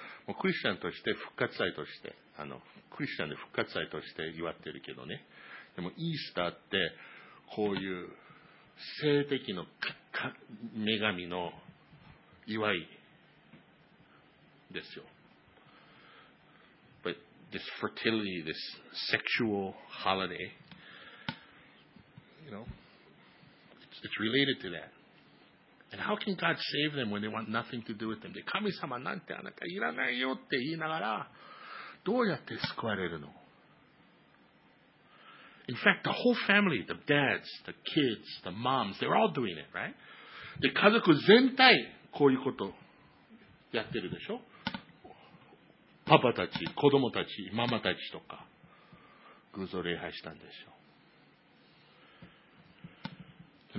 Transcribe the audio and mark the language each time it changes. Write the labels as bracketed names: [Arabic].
[Japanese] もうクリスチャンとして復活祭としてクリスチャンで復活祭として祝ってるけどね。でもイースターってこういう聖敵の女神の祝いですよ。 [English] But this fertility, this sexual holiday, you know, it's related to that. And how can God save them when they want nothing to do with them? [Japanese] 神様なんてあなたいらないよって言いながらどうやって救われるの？ [English] In fact, the whole family, the dads, the kids, the moms, they're all doing it, right? [Japanese] で、家族全体、こういうことやってるでしょ？パパたち、子供たち、ママたちとか、偶像礼拝したんでしょう。